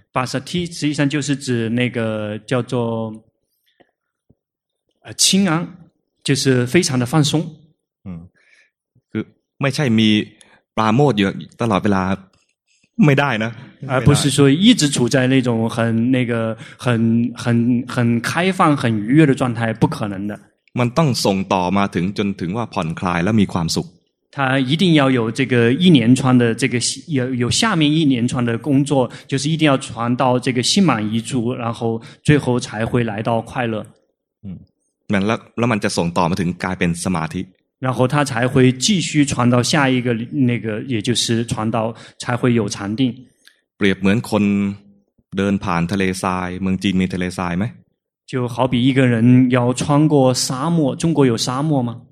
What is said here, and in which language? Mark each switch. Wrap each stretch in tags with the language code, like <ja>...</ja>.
<zh>ปัสสัทธิ实际上就是指那个叫做清安就是非常的放松</zh> <th>คือไม่ใช่มีปราโมทอยู่ตลอดเวลาไม่ได้นะ</th> <zh>而不是说一直处在那种很那个很开放很愉悦的状态不可能的</zh> <th>มันต้องส่งต่อมาถึงว่าผ่อนคลายแล้วมีความสุข</th> <zh>他一定要有这个一连串的这个有下面一连串的工作，就是一定要传到这个心满意足，然后最后才会来到快乐。那么就送到嘛，成改变สมาธิ。然后他才会继续传到下一个那个，也就是传到才会有禅定。</zh> <th>เปรียบเหมือนคนเดินผ่านทะเลทรายเมืองจีนมีทะเลทรายไหม？</th> <zh>就好比一个人要穿过沙漠，中国有沙漠吗？</zh>